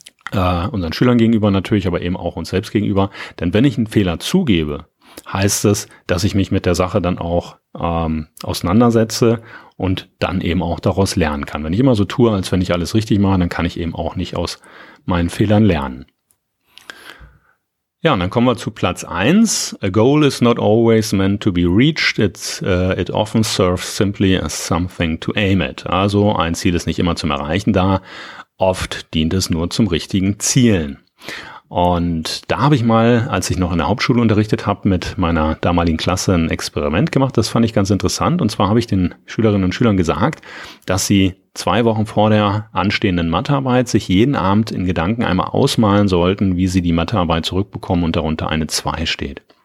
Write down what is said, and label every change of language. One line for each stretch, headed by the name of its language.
German: Unseren Schülern gegenüber natürlich, aber eben auch uns selbst gegenüber. Denn wenn ich einen Fehler zugebe, heißt es, dass ich mich mit der Sache dann auch auseinandersetze und dann eben auch daraus lernen kann. Wenn ich immer so tue, als wenn ich alles richtig mache, dann kann ich eben auch nicht aus meinen Fehlern lernen. Ja, und dann kommen wir zu Platz 1.
English: A goal is not always meant to be reached. It often serves simply as something to aim at.
German: Also ein Ziel ist nicht immer zum Erreichen da. Oft dient es nur zum richtigen Zielen. Und da habe ich mal, als ich noch in der Hauptschule unterrichtet habe, mit meiner damaligen Klasse ein Experiment gemacht. Das fand ich ganz interessant. Und zwar habe ich den Schülerinnen und Schülern gesagt, dass sie 2 Wochen vor der anstehenden Mathearbeit sich jeden Abend in Gedanken einmal ausmalen sollten, wie sie die Mathearbeit zurückbekommen und darunter eine 2 steht.